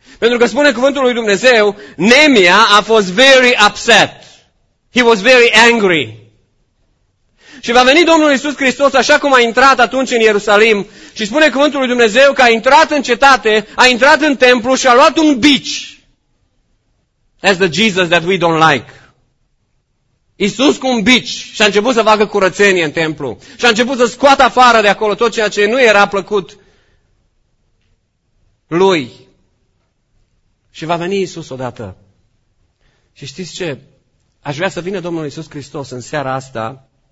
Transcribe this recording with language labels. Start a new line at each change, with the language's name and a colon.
Romanian: Pentru că spune cuvântul lui Dumnezeu, Nemia a fost
English: very upset. He was very angry.
Romanian: Și va veni Domnul Iisus Hristos așa cum a intrat atunci în Ierusalim și spune cuvântul lui Dumnezeu că a intrat în cetate, a intrat în templu și a luat un bici.
English: That's the Jesus that we don't like.
Romanian: Iisus cu un bici și a început să facă curățenie în templu și a început să scoată afară de acolo tot ceea ce nu era plăcut lui. Și va veni Iisus odată. Și știți ce? Aș vrea să vină Domnul Iisus Hristos în seara asta.